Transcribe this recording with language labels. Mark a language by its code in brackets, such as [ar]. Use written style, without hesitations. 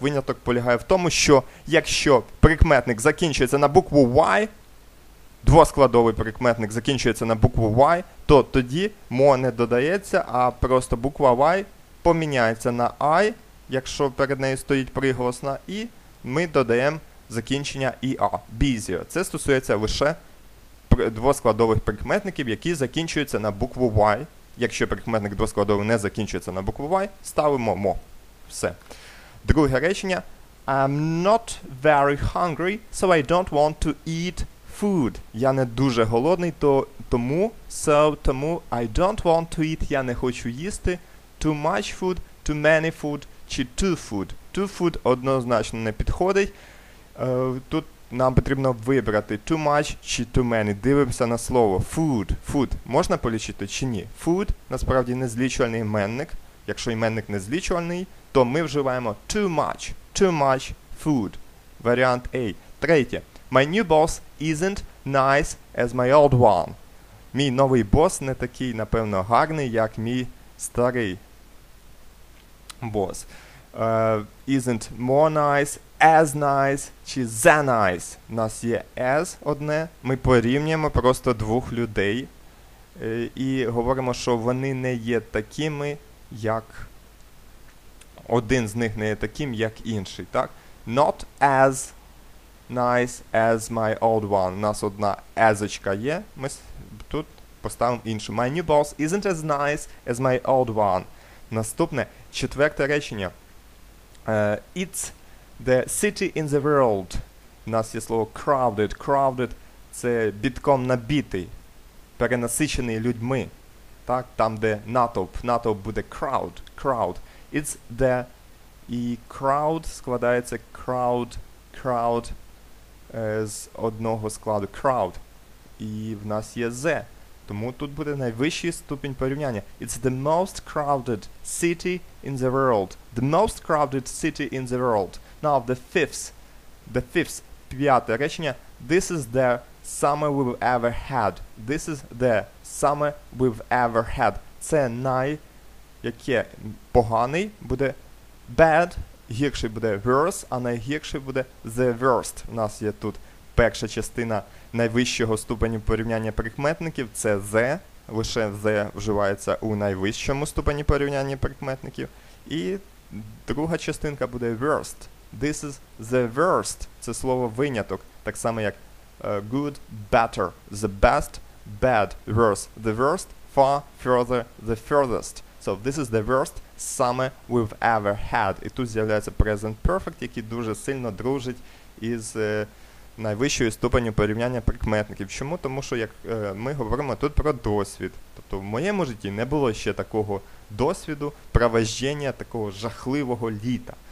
[uk] Виняток полягає в тому, що якщо прикметник закінчується на букву Y, двоскладовий прикметник закінчується на букву Y, то тоді more не додається, а просто буква Y поміняється на I, якщо перед нею стоїть приголосна, і ми додаємо закінчення ER, busier. Це стосується лише двоскладових прикметників, які закінчуються на букву Y. Якщо прикметник двоскладовий не закінчується на букву Y, ставимо mo. Все. Друге речення. [en] I'm not very hungry, so I don't want to eat food. [uk] Я не дуже голодний, тому [en] I don't want to eat, [uk] я не хочу їсти [en] too much food, too many food чи too food. [uk] Too food однозначно не підходить. Тут нам потрібно вибрати too much чи too many. Дивимося на слово food. Food. Можна полічити чи ні? Food насправді не злічувальний іменник. Якщо іменник не злічувальний, то ми вживаємо too much. [en] Too much food. [uk] Варіант A. Третє. [en] My new boss isn't nice as my old one. [uk] Мій новий бос не такий, напевно, гарний, як мій старий бос. [en] Isn't more nice, as nice, чи the nice. [uk] У нас є as одне. Ми порівнюємо просто двох людей. І говоримо, що вони не є такими, як один з них не є таким, як інший. Так? [en] Not as nice as my old one. [uk] У нас одна as-очка є. Ми тут поставимо іншу. [en] My new boss isn't as nice as my old one. [uk] Наступне. Четверте речення. [en] It's the city in the world. [uk] У нас є слово [en] crowded. [uk] Crowded – це битком набитий, перенасичений людьми. Так, там, де натовп. Натовп буде crowd. Crowd. [en] It's the... [uk] І crowd складається crowd, crowd з одного складу. Crowd. І в нас є the. Тому тут буде найвищий ступінь порівняння. [en] It's the most crowded city in the world. The most crowded city in the world. Now, the fifth, [uk] п'яте речення. [en] This is the summer we've ever had. This is the summer we've ever had. [uk] Це яке поганий буде bad, гірший буде worse, а найгірший буде the worst. У нас є тут перша частина найвищого ступеню порівняння прикметників – це the. Лише the вживається у найвищому ступені порівняння прикметників. І друга частинка буде worst. [en] This is the worst. [uk] Це слово виняток. Так само як good, better. [en] The best, bad, worse. The worst, far, further, the furthest. So this is the worst summer we've ever had. [uk] І тут з'являється present perfect, який дуже сильно дружить із найвищої ступені порівняння прикметників. Чому? Тому що як ми говоримо тут про досвід. Тобто в моєму житті не було ще такого досвіду провождення такого жахливого літа.